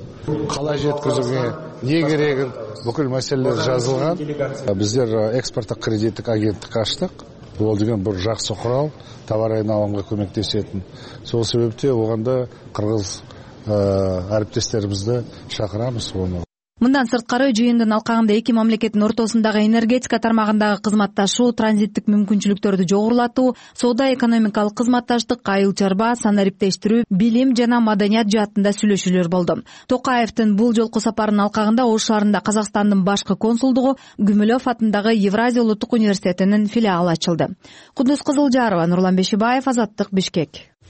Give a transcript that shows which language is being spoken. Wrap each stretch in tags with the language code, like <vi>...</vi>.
<kk>Қалай жеткізуге, не керегін, бүкіл мәселелер жазылған. Біздер экспорттық кредиттік агенттік аштық. Ол деген бір жақсы құрал, товар айналымға көмектесетін. Сол себепте оғанда қырғыз әріптестерімізді шақырамыз оны.</kk> <ky>Мындан сырткары жыйындын алкагында эки мамлекеттин ортосундагы энергетика тармагындагы кызматташуу, транзиттик мүмкүнчүлүктөрдү жогорулатуу, соода экономикалык кызматташтык, айыл чарба, санариптештирүү, билим жана маданият жаатында сүйлөшүүлөр болду. Токаевдин бул жолку сапарынын алкагында Ош шаарында Казакстандын башкы консулдугу, Гүмүлөв атындагы Евразия улуттук университетинин филиалы ачылды. Кундуз Кызылжарова, Нурлан Бешибаев, Азаттык, Бишкек.</ky>